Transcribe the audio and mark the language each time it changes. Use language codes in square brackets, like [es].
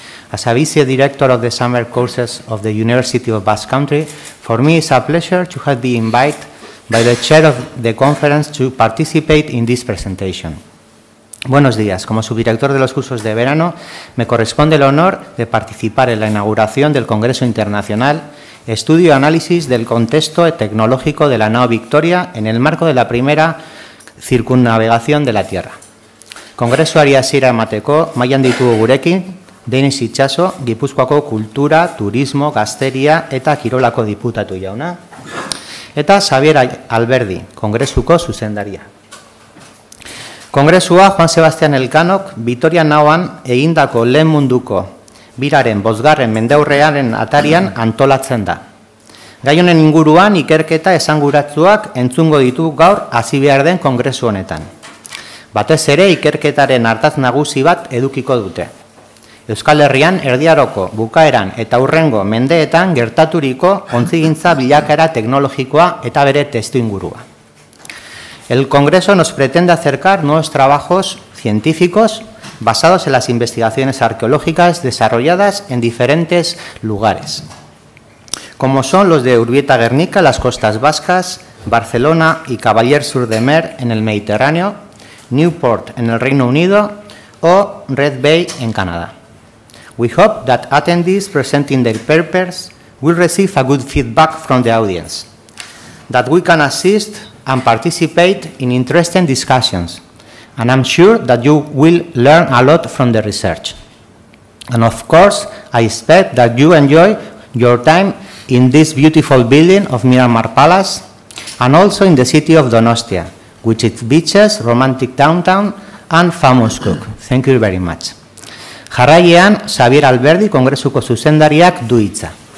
[en] As a vice director of the summer courses of the University of Basque Country, for me it's a pleasure to have been invited by the chair of the conference to participate in this presentation. [es] Buenos días. Como subdirector de los cursos de verano, me corresponde el honor de participar en la inauguración del Congreso Internacional Estudio y Análisis del Contexto Tecnológico de la Nao Victoria en el marco de la primera circunnavegación de la Tierra. [eu] Kongresuari hasiera emateko, mailan ditugu gurekin, Denis Itxaso, Gipuzkoako Kultura, Turismo, Gazteria eta Kirolako Diputatu jauna, eta Xabier Alberdi, Kongresuko zuzendaria. Kongresua Juan Sebastián Elkanok Vitoria Naoan egindako lehen munduko biraren bosgarren mendeurrearen atarian antolatzen da. Gai honen inguruan ikerketa esanguratsuak entzungo ditu gaur hasi behar den kongresu honetan. Batez ere ikerketaren ardatz nagusi bat edukiko dute. Euskal Herrian erdiaroko bukaeran eta urrengo mendeetan gertaturiko ontzigintza bilakaera teknologikoa eta bere testu ingurua. [es] El Congreso nos pretende acercar nuevos trabajos científicos basados en las investigaciones arqueológicas desarrolladas en diferentes lugares, como son los de Urbieta-Guernica, las costas vascas, Barcelona y Cavalier-sur-de-Mer en el Mediterráneo, Newport en el Reino Unido o Red Bay en Canadá. [en] We hope that attendees presenting their papers will receive a good feedback from the audience, that we can assist and participate in interesting discussions, and I'm sure that you will learn a lot from the research. And of course, I expect that you enjoy your time in this beautiful building of Miramar Palace, and also in the city of Donostia, with its beaches, romantic downtown, and famous cook. Thank you very much. [eu] Jarraian, Xabier Alberdi, Kongresuko zuzendariak du hitza.